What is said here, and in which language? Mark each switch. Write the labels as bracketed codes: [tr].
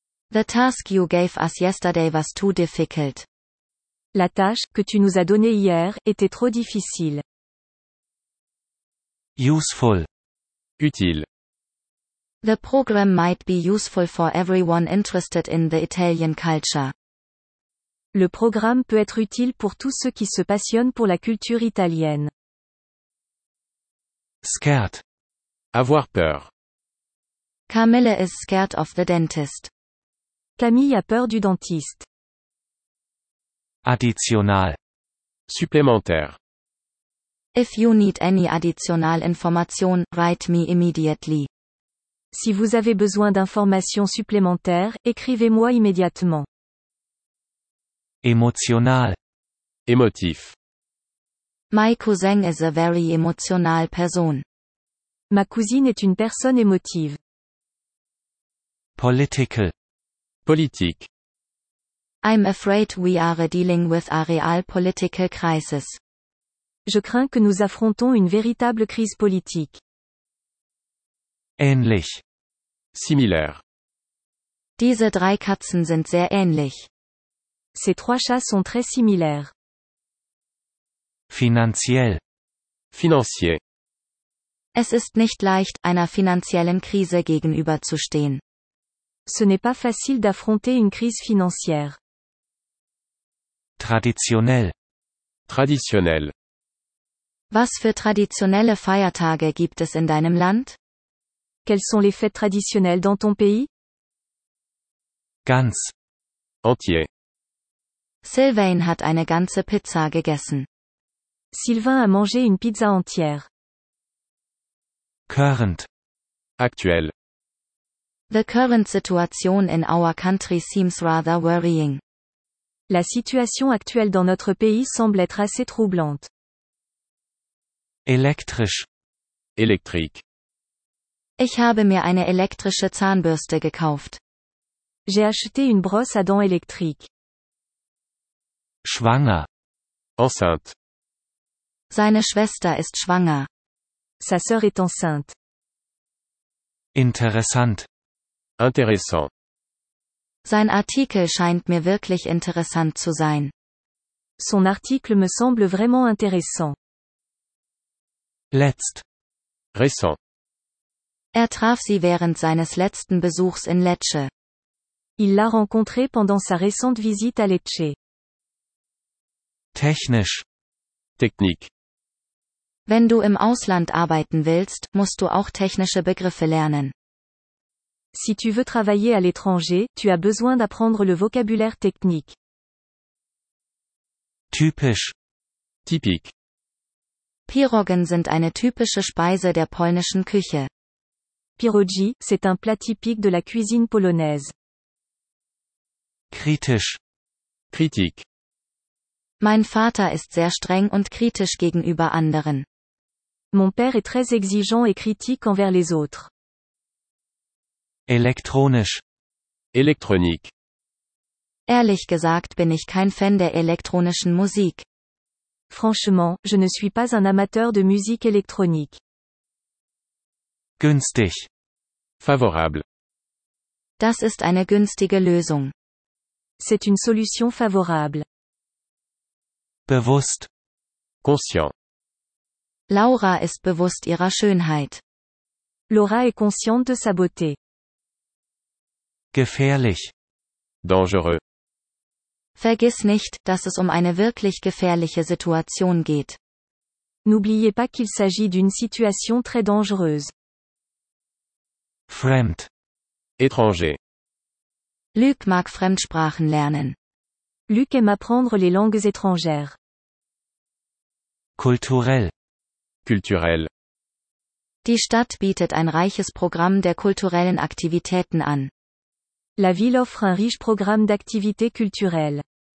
[en] The task you gave us yesterday was too difficult. [fr] La tâche que tu nous as donnée hier était trop difficile. [en] Useful. [fr] Utile. [en] The program might be useful for everyone interested in the Italian culture. [fr] Le programme peut être utile pour tous ceux qui se passionnent pour la culture italienne. [en] Scared. [fr] Avoir peur. [en] Camille is scared of the dentist. [fr] Camille a peur du dentiste. [en] Additional. [fr] Supplémentaire. [en] If you need any additional information, write me immediately. [fr] Si vous avez besoin d'informations supplémentaires, écrivez-moi immédiatement. [en] Emotional. [fr] Émotif. [en] My cousin is a very emotional person. [fr] Ma cousine est une personne émotive. [en] Political. [fr] Politique. [en] I'm afraid we are dealing with a real political crisis. [fr] Je crains que nous affrontons une véritable crise politique. [de] Ähnlich. [fr] Similaire. [de] Diese drei Katzen sind sehr ähnlich. [fr] Ces trois chats sont très similaires. [de] Finanziell. [fr] Financier. [de] Es ist nicht leicht, einer finanziellen Krise gegenüberzustehen. [fr] Ce n'est pas facile d'affronter une crise financière. [de] Traditionell. Traditionell. Was für traditionelle Feiertage gibt es in deinem Land? [fr] Quelles sont les fêtes traditionnelles dans ton pays? [de] Ganz. [fr] Entier. [de] Sylvain hat eine ganze Pizza gegessen. [fr] Sylvain a mangé une pizza entière. [en] Current. [fr] Actuel. [en] The current situation in our country seems rather worrying. [fr] La situation actuelle dans notre pays semble être assez troublante. [de] Elektrisch. [fr] Électrique. [de] Ich habe mir eine elektrische Zahnbürste gekauft. [fr] J'ai acheté une brosse à dents électrique. [de] Schwanger. [fr] Enceinte. [de] Seine Schwester ist schwanger. [fr] Sa sœur est enceinte. [de] Interessant. [fr] Intéressant. [de] Sein Artikel scheint mir wirklich interessant zu sein. [fr] Son article me semble vraiment intéressant. [de] Letzt. [fr] Récent. [de] Er traf sie während seines letzten Besuchs in Lecce. [fr] Il l'a rencontré pendant sa récente visite à Lecce. [de] Technisch. [fr] Technique. [de] Wenn du im Ausland arbeiten willst, musst du auch technische Begriffe lernen. [fr] Si tu veux travailler à l'étranger, tu as besoin d'apprendre le vocabulaire technique. [de] Typisch. [fr] Typique. [de] Pirogen sind eine typische Speise der polnischen Küche. [fr] Pierogi, c'est un plat typique de la cuisine polonaise. [de] Kritisch. Kritik. Mein Vater ist sehr streng und kritisch gegenüber anderen. [fr] Mon père est très exigeant et critique envers les autres. [de] Elektronisch. Elektronik. Ehrlich gesagt bin ich kein Fan der elektronischen Musik. [fr] Franchement, je ne suis pas un amateur de musique électronique. [de] Günstig. [fr] Favorable. [de] Das ist eine günstige Lösung. [fr] C'est une solution favorable. [de] Bewusst. [fr] Conscient. [de] Laura ist bewusst ihrer Schönheit. [fr] Laura est consciente de sa beauté. [de] Gefährlich. [fr] Dangereux. [de] Vergiss nicht, dass es um eine wirklich gefährliche Situation geht. [fr] N'oubliez pas qu'il s'agit d'une situation très dangereuse. [de] Fremd. [fr] Étranger. [de] Luc mag Fremdsprachen lernen. [fr] Luc aime apprendre les langues étrangères. [de] Kulturell. [fr] Culturel. [de] Die Stadt bietet ein reiches Programm der kulturellen Aktivitäten an. [fr] La ville offre un riche programme d'activités culturelles.